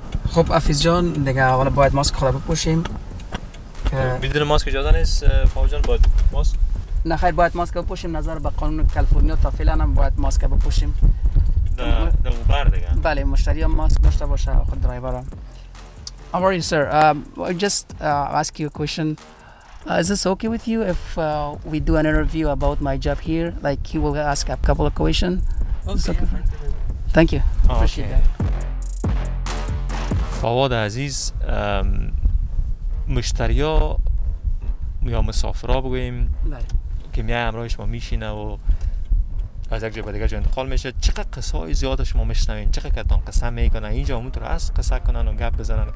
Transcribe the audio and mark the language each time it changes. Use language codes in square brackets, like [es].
[fa] خب حفیظ جان دیگه اول باید ماسک خودت بپوشیم بدون ماسک اجازه نیست فاو جان باید ماسک نه خیر باید ماسک بپوشیم نظر به قانون کالیفرنیا تا فعلا هم باید ماسک بپوشیم در اوبر دیگه. بله مشتری هم ماسک داشته باشه خود درایور هم. [en] I'm worried sir, just ask you a question. Is this okay with you if we do an interview about my job here? Like he will ask a couple of questions. Okay. Thank you. [fa] فواد عزیز مشتری ها یا مسافر ها بگوییم که میای امروز شما میشینه و از یک جا به دیگر جا انتقال میشه چقدر قصه‌های زیاد شما میشنوین چقدر کتان قصه میکنن اینجا همون طور از قصه کنن و گپ بزنن.